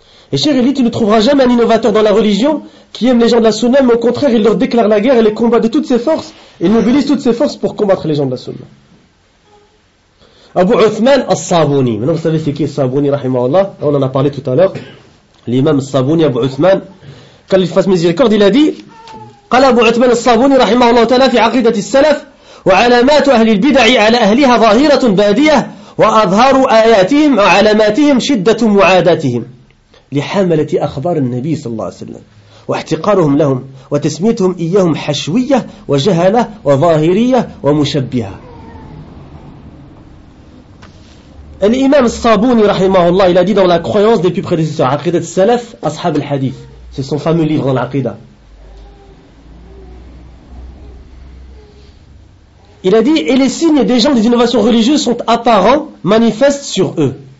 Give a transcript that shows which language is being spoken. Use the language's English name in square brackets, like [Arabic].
[French] Et cher Eli, tu ne trouveras jamais un innovateur dans la religion qui aime les gens de la Sunna, mais au contraire, il leur déclare la guerre et les combat de toutes ses forces, et mobilise toutes ses forces pour combattre les gens de la Sunna. Abu Uthman al-Sabouni. Maintenant vous savez c'est qui Sabouni, rahimahullah. On en a parlé tout à l'heure. L'imam Sabouni, Abu Uthman. Quand il fasse miséricorde, il a dit... [Arabic] قال أبو عثمان الصابوني رحمه الله تعالى في عقيدة السلف وعلامات أهل البدع على أهلها ظاهرة بادية وأظهر آياتهم وعلاماتهم شدة معاداتهم لحملة أخبار النبي صلى الله عليه وسلم واحتقارهم لهم وتسميتهم إياهم حشوية وجهلة وظاهرية ومشبهة. الإمام الصابوني رحمه الله [French] il a dit dans la croyance des plus prédécesseurs [Arabic] عقيدة السلف أصحاب الحديث [French] c'est son fameux livre dans العقيدة. Il a dit, et les signes des gens des innovations religieuses sont apparents, manifestes sur eux.